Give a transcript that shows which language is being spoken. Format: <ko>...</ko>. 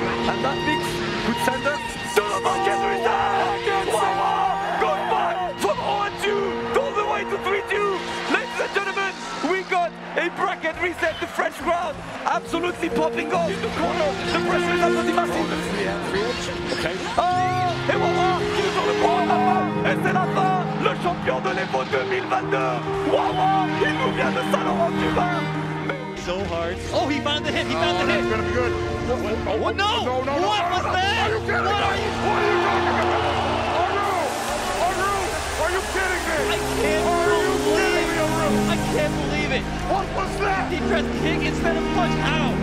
<en>And that mix could send us to the market reset! Wawa! Going back from 0-2 all the way to 3-2! Ladies and gentlemen, we got a bracket reset. The French crowd absolutely popping off. In the corner, the pressure is absolutely massive. Oh, this is the end. Okay.</en> <fr>Et Wawa, qui est sur le point de la fin, et c'est la fin, le champion de l'Evo 2022, Wawa, il nous vient de Saint-Laurent-du-Vin.</fr> <en>So hard. Oh, he found the hit, he found the hit. That's gonna be good. What? Oh, no! What was that? Are you kidding me? I can't believe it. What was that? He pressed kick instead of punch out.</en>